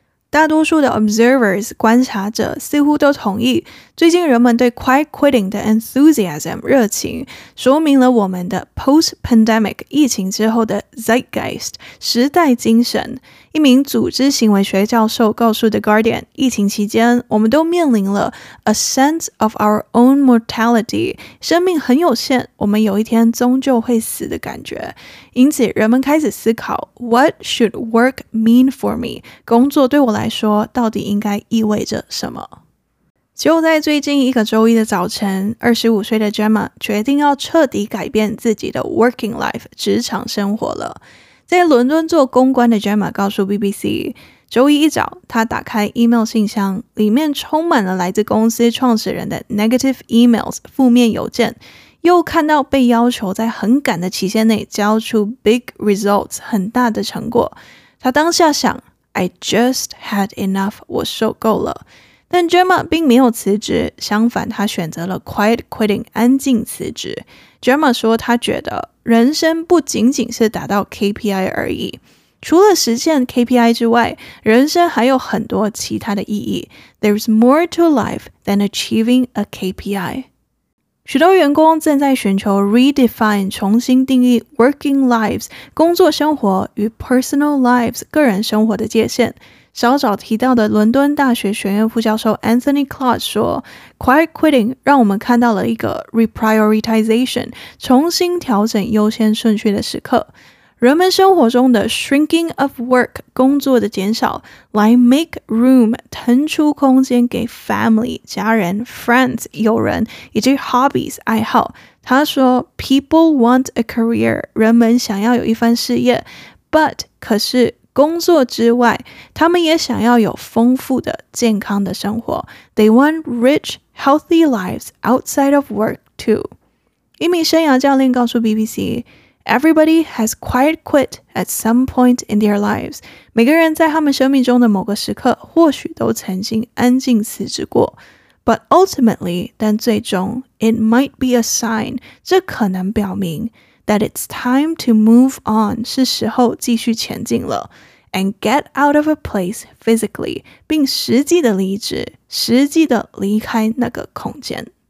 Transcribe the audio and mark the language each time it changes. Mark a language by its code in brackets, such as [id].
[zh] 大多数的 observers 观察者似乎都同意，最近人们对 quiet quitting 的 enthusiasm 热情，说明了我们的 post-pandemic 疫情之后的 zeitgeist 时代精神。一名组织行为学教授告诉 The Guardian， 疫情期间我们都面临了 [en] a sense of our own mortality， [zh] 生命很有限，我们有一天终究会死的感觉。因此人们开始思考 [en] What should work mean for me？ [zh] 工作对我来说到底应该意味着什么。就在最近一个周一的早晨，25岁的 Gemma 决定要彻底改变自己的 working life 职场生活了。在伦敦做公关的 Gemma 告诉 BBC， 周一一早她打开 email 信箱，里面充满了来自公司创始人的 negative emails 负面邮件，又看到被要求在很赶的期限内交出 big results 很大的成果，她当下想 [en] I just had enough， [zh] 我受够了。但 Gemma 并没有辞职，相反她选择了 quiet quitting 安静辞职。 Gemma 说她觉得人生不仅仅是达到 KPI 而已，除了实现 KPI 之外，人生还有很多其他的意义。 [en] There's more to life than achieving a KPI。 [zh] 许多员工正在寻求 redefine 重新定义 working lives 工作生活与 personal lives 个人生活的界限。稍早提到的伦敦大学学院副教授 Anthony Claude 说， Quiet quitting 让我们看到了一个 reprioritization 重新调整优先顺序的时刻。人们生活中的 shrinking of work 工作的减少来 make room 腾出空间给 family 家人 friends 友人以及 hobbies 爱好。他说 [en] People want a career， [zh] 人们想要有一番事业， but 可是工作之外，他们也想要有丰富的、健康的生活。 [en] They want rich, healthy lives outside of work too. [zh] 一名生涯教练告诉 [en] BBC, Everybody has quiet quit at some point in their lives. [zh] 每个人在他们生命中的某个时刻，或许都曾经安静辞职过。 [en] But ultimately, [zh] 但最终 [en] it might be a sign, [zh] 这可能表明 [en] that it's time to move on, [zh] 是时候继续前进了。 [en] And get out of a place physically, [zh] 并实际的离职，实际的离开那个空间。